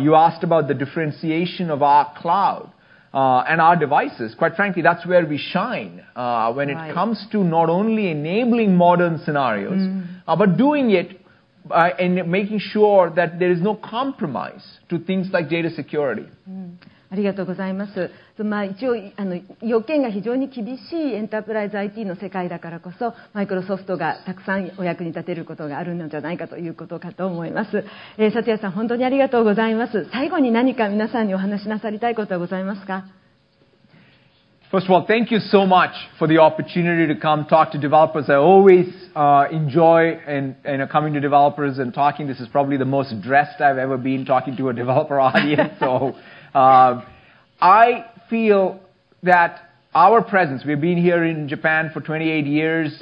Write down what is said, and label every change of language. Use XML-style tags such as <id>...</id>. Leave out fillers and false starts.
<en>You asked about the differentiation of our cloud. And our devices, quite frankly, that's where we shine when it comes to not only enabling modern scenarios, but doing it and making sure that there is no compromise to things like data security.</en> <ja>ありがとうございます。まあ、一応要件が非常に厳しいエンタープライズ IT の世界だからこそ、マイクロソフトがたくさんお役に立てることがあるのではないかということかと思います。サティアさん、本当にありがとうございます。最後に何か皆さんにお話しなさりたいことはございますか？</ja> <en>First of all, thank you so much for the opportunity to come talk to developers. I always enjoy and coming to developers and talking. This is probably the most dressed I've ever been talking to a developer audience. So, I feel that our presence, we've been here in Japan for 28 years.</en>